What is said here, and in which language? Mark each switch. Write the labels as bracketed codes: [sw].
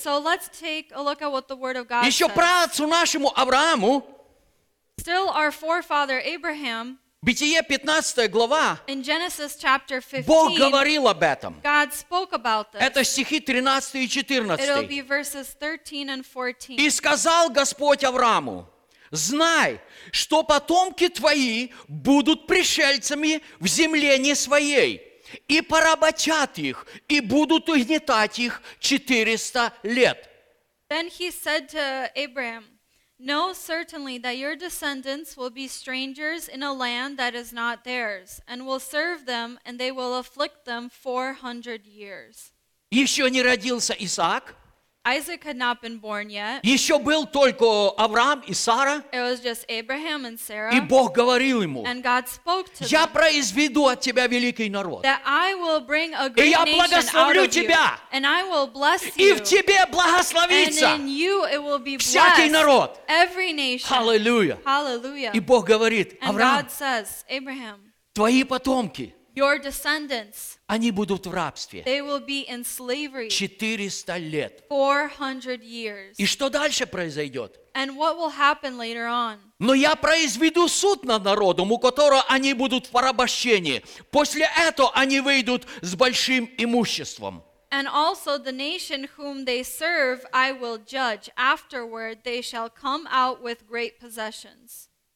[en] So let's take a look at what the Word of God [ru] Еще [en] says. [ru] Еще праотцу нашему Аврааму [en] Still our forefather Abraham. [ru] Бытие 15 глава. [en] In Genesis chapter 15. [ru] Бог говорил об этом. [en] God spoke about this. [ru] Это стихи 13 и 14. [en] It'll be verses 13 and 14. [ru] И сказал Господь Аврааму: Знай, что потомки твои будут пришельцами в земле не своей, и поработят их, и будут угнетать их 400 лет. [en] Then he said to Abraham, Know certainly that your descendants will be strangers in a land that is not theirs, and will serve them, and they will afflict them 400 years. [ru] Еще не родился Исаак. [en] Isaac had not been born yet. [ru] Еще был только Авраам и Сара. [en] It was just Abraham and Sarah. [ru] И Бог говорил ему. [en] And God spoke to them. [ru] Я произведу от тебя великий народ. [en] That I will bring a great nation out of you. [ru] И я благословлю тебя. [en] And I will bless you. [ru] И в тебе благословится. [en] And in you it will be blessed. [ru] Всякий народ. [en] Every nation. Hallelujah. Hallelujah. [ru] И Бог говорит, Авраам. [en] And God says, Abraham. [ru] Твои потомки. [en] Your descendants. [ru] Они будут в рабстве. [en] They will be in slavery. [ru] 400 лет. [en] 400 years. [ru] И что дальше произойдет? [en] And what will happen later on? [ru] Но я произведу суд над народом, у которого они будут в порабощении. После этого они выйдут с большим имуществом. [en] And also the nation whom they serve, I will judge. Afterward, they shall come out with great possessions.